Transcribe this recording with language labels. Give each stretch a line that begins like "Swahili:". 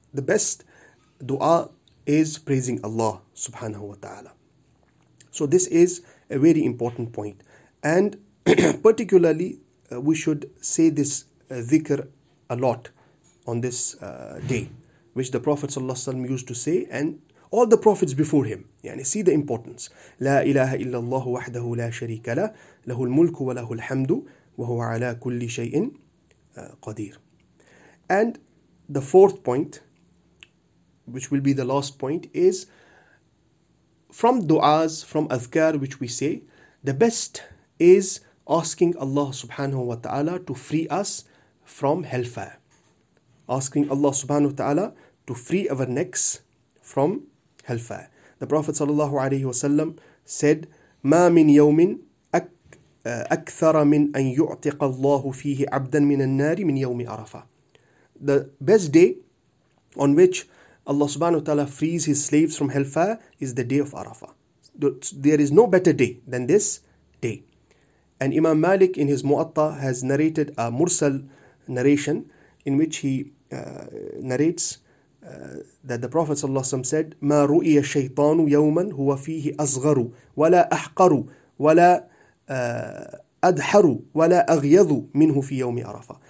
English: The best dua is praising Allah subhanahu wa ta'ala. So this is a very important point. And particularly, we should say this dhikr a lot on this day, which the Prophet sallallahu alaihi wasallam used to say, and all the prophets before him. Yani see the importance.
Arabic: لا إله إلا الله وحده لا شريك له له الملك وله الحمد وهو على كل شيء قدير.
English: And the fourth point, which will be the last point, is from du'as, from adhkar which we say, the best is asking Allah subhanahu wa ta'ala to free us from hellfire. Asking Allah subhanahu wa ta'ala to free our necks from hellfire. The Prophet sallallahu alayhi wa sallam said,
Arabic: ما من يوم أكثر من أن يعتق الله فيه عبدا من النار من يوم عرفة.
English: The best day on which Allah subhanahu wa ta'ala frees his slaves from hellfire is the day of Arafah. There is no better day than this day. And Imam Malik in his Mu'atta has narrated a Mursal narration in which he narrates that the Prophet sallallahu alaihi wasallam said,
Arabic: مَا رُؤِيَ الشَّيْطَانُ يَوْمًا هُوَ فِيهِ أَصْغَرُ وَلَا أَحْقَرُ وَلَا أَدْحَرُ وَلَا أَغْيَضُ مِنْهُ فِي يَوْمِ عَرَفَةٍ.